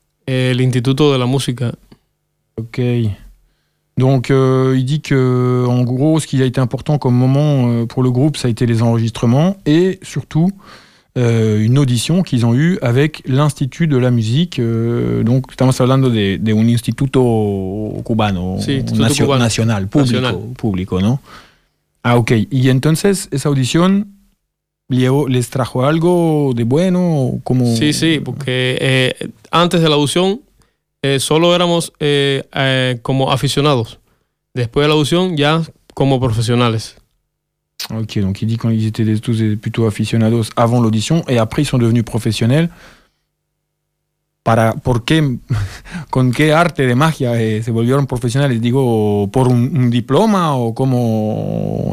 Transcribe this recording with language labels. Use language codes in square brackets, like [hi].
[es] El Instituto de la Música. [en] Ok. [fr] Donc, il dit que, en gros, ce qui a été important comme moment pour le groupe, ça a été les enregistrements et surtout une audition qu'ils ont eue avec l'Institut de la Musique. [es] Donc, estamos hablando de un instituto cubano, nacional, público, ¿no? Ah, ok. Y entonces, esa audición, les trajo algo de bueno? Como... Sí, sí, porque antes de la audición solo éramos como aficionados. Después de la audición ya como profesionales. [fr] Ok, donc il dit quand ils étaient tous plutôt aficionados avant l'audition et après ils sont devenus professionnels. [es] ¿Por qué? ¿Con qué arte de magia se volvieron profesionales? Digo, ¿por un diploma o cómo?